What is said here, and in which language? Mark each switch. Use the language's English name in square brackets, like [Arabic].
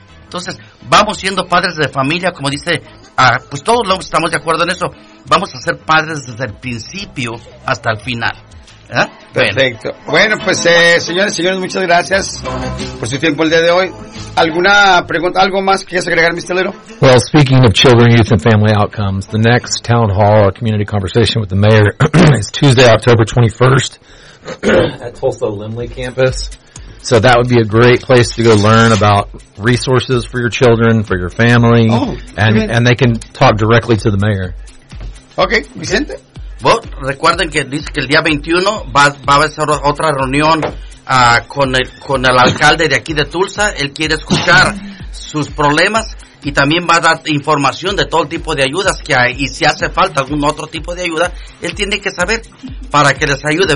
[Spanish] Entonces, vamos siendo padres de familia, como dice, pues todos estamos de acuerdo en eso, vamos a ser padres desde el principio hasta el final. Perfecto. Bueno, pues señores, señores, muchas gracias por su tiempo el día de hoy. ¿Alguna pregunta, algo más que quieras agregar, Mr. Little? [English] Well, speaking of children, youth, and family outcomes, the next town hall or community conversation with the mayor is Tuesday, October 21st at Tulsa Limley campus. So that would be a great place to go learn about resources for your children, for your family, and they can talk directly to the mayor. Okay, Vicente. [Spanish] Bueno, recuerden que dice que el día 21 va a haber otra reunión con el alcalde de aquí de Tulsa. Él quiere escuchar sus problemas y también va a dar información de todo tipo de ayudas que hay. Y si hace falta algún otro tipo de ayuda, él tiene que saber para que les ayude.